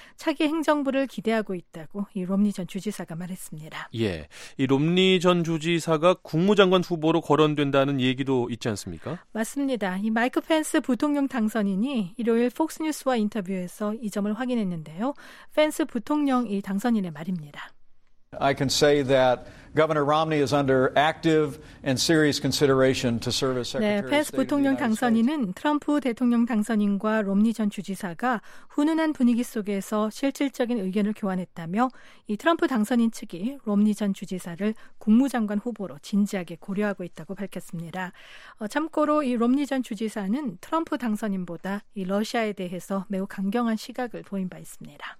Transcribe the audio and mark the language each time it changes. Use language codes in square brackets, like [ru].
[ko] 차기 행정부를 기대하고 있다고 이 롬니 전 주지사가 말했습니다. 예, 이 롬니 전 주지사가 국무장관 후보로 거론된다는 얘기도 있지 않습니까? 맞습니다. 이 마이크 펜스 부통령 당선인이 일요일 폭스뉴스와 인터뷰에서 이 점을 확인했는데요. 펜스 부통령 이 당선인의 말입니다. [en] I can say that Governor Romney is under active and serious consideration to serve as Secretary of State. [ko] 네, 펜스 부통령 당선인은 트럼프 대통령 당선인과 롬니 전 주지사가 훈훈한 분위기 속에서 실질적인 의견을 교환했다며 이 트럼프 당선인 측이 롬니 전 주지사를 국무장관 후보로 진지하게 고려하고 있다고 밝혔습니다. 참고로 이 롬니 전 주지사는 트럼프 당선인보다 이 러시아에 대해서 매우 강경한 시각을 보인 바 있습니다.